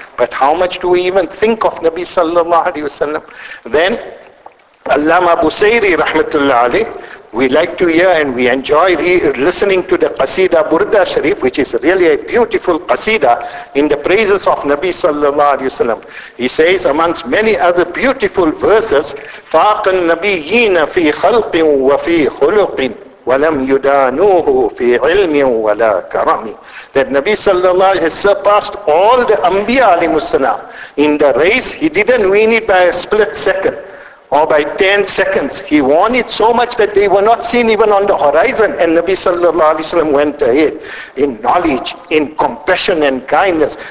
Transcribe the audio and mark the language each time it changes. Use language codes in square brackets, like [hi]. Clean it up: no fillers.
[en] But how much do we even think of Nabi sallallahu alayhi wa sallam? Then, Allama Busayri rahmatullah alayhi, we like to hear and we enjoy listening to the Qasida Burda Sharif, which is really a beautiful Qasida in the praises of Nabi sallallahu alayhi wa sallam. He says amongst many other beautiful verses, [ar] فَاقَ النَّبِيِّينَ فِي خَلْقٍ وَفِي خُلُقٍ وَلَمْ يُدَانُوهُ فِي عِلْمٍ وَلَا كَرَمٍ. [en] That Nabi sallallahu alayhi wa sallam has surpassed all the Anbiya alayhi wa sallam. In the race, he didn't win it by a split second. Or by 10 seconds, he won it so much that they were not seen even on the horizon, and Nabi sallallahu alayhi wa sallam went ahead in knowledge, in compassion and kindness.